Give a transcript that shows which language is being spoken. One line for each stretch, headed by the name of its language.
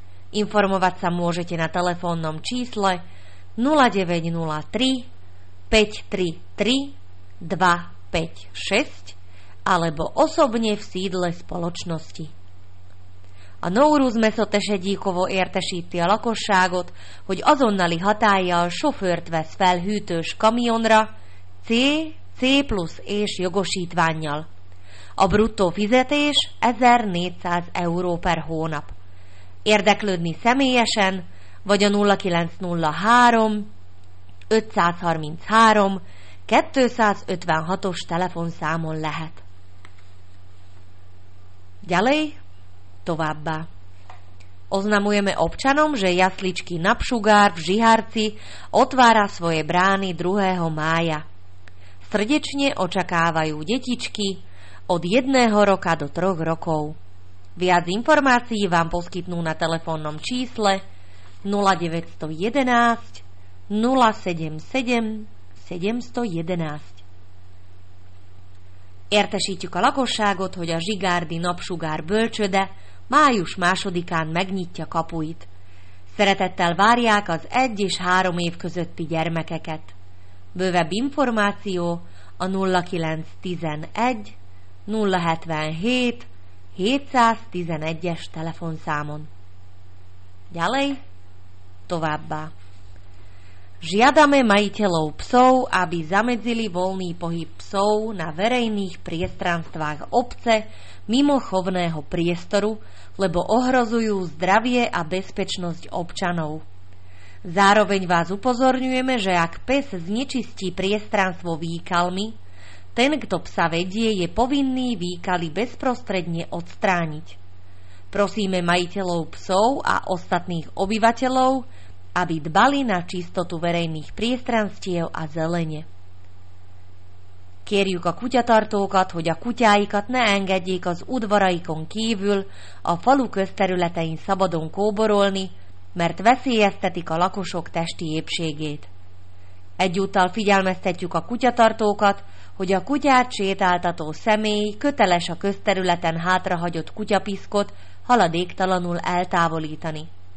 Slovak: Informovať sa môžete na telefónnom čísle 0903 533 256 alebo osobne v sídle spoločnosti.
Hungarian: A Nowruz Mesotesegyíkovo értesíti a lakosságot, hogy azonnali hatállyal sofőrt vesz fel hűtős kamionra, C+ és jogosítvánnyal. A bruttó fizetés 1400 euró per hónap. Érdeklődni személyesen, vagy a 0903 533 256-os telefonszámon lehet.
Slovak: Ďalej,
Hungarian: továbbá.
Slovak: Oznamujeme občanom, že jasličky Napšugár v Žiharci otvára svoje brány 2. mája. Srdečne očakávajú detičky od 1. roka do 3 rokov. Viac informácií vám poskytnú na telefónnom čísle 0911 077 711.
Hungarian: Értesítjük a lakosságot, hogy a Zsigárdi Napsugár bölcsöde május 2-án megnyitja kapuit. Szeretettel várják az 1 és 3 év közötti gyermekeket. Bővebb információ a 0911 077 711-es telefonszámon.
Slovak: Ďalej,
Hungarian: továbbá.
Slovak: Žiadame majiteľov psov, aby zamedzili voľný pohyb psov na verejných priestranstvách obce mimo chovného priestoru, lebo ohrozujú zdravie a bezpečnosť občanov. Zároveň vás upozorňujeme, že ak pes znečistí priestranstvo výkalmi, ten, kto psa vedie, je povinný výkaly bezprostredne odstrániť. Prosíme majiteľov psov a ostatných obyvateľov, aby dbali na čistotu verejných priestranstiev a zelene.
Hungarian: Kérjük a kutyatartókat, hogy a kutyáikat ne engedjék az udvaraikon kívül a falu közterületein szabadon kóborolni, mert veszélyeztetik a lakosok testi épségét. Egyúttal figyelmeztetjük a kutyatartókat, hogy a kutyát sétáltató személy köteles a közterületen hátrahagyott kutyapiszkot haladéktalanul eltávolítani.